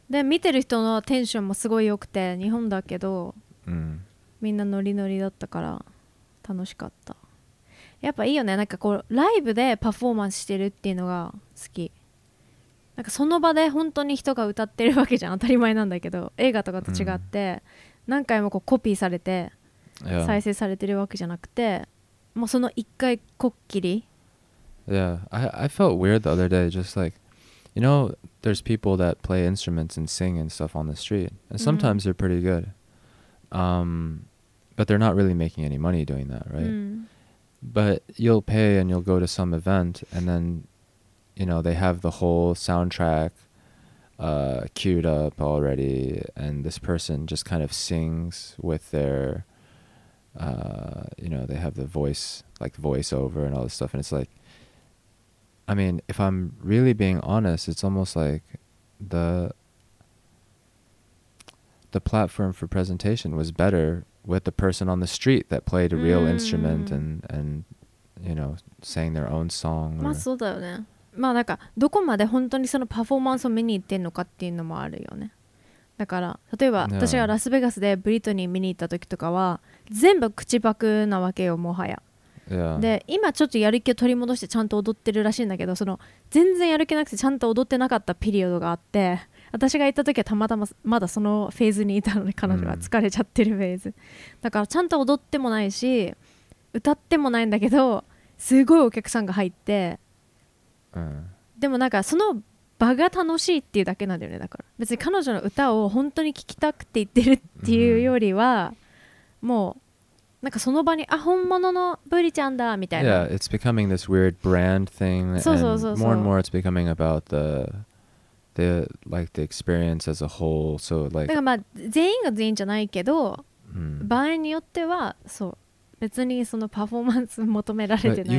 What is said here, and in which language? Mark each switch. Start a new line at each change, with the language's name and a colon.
Japanese: で見てる人のテンションもすごい良くて日本だけどみんなノリノリだったから楽しかったやっぱいいよねなんかこうライブでパフォーマンスしてるっていうのが好きなんかその場で本当に人が歌ってるわけじゃん当たり前なんだけど映画とかと違って、何回もこうコピーされて再生されてるわけじゃなくて、もうその一回こっきり
English: Yeah, I felt weird the other day just like you know there's people that play instruments and sing and stuff on the street and sometimes they're pretty goodBut they're not really making any money doing that, right? But you'll pay and you'll go to some event and then, you know, they have the whole soundtrack queued up already and this person just kind of sings with their, you know, they have the voice, like voiceover and all this stuff. And it's like, I mean, if I'm really being honest, it's almost like the platform for presentation was better with the person on the street that played a real instrument and you know, sang their own song.
Japanese: まあそうだよね。まあなんかどこまで本当にそのパフォーマンスを見に行ってんのかっていうのもあるよね。だから例えば、yeah. 私がラスベガスでブリトニー見に行った時とかは全部口パクなわけよもはや、 yeah. で今ちょっとやる気を取り戻してちゃんと踊ってるらしいんだけど、その全然やる気なくてちゃんと踊ってなかったピリオドがあって、私が行った時はたまたままだそのフェーズにいたので、彼女は疲れちゃってるフェーズ、mm. だからちゃんと踊ってもないし歌ってもないんだけど、すごいお客さんが入って、でもなんかその場が楽しいっていうだけなんだよね。だから別に彼女の歌を本当に聴きたくて言ってるっていうよりは、もうなんかその場に、あ、本物のブリちゃんだみたいな。
English: Yeah, it's becoming this weird brand thing.
Japanese: そうそうそうそう。
English: More and more, it's becoming about the like the experience as a whole. So like.
Japanese: だからまあ全員が全員じゃないけど、場合によってはそう。別にそのパフォーマンス求められてないみたいな。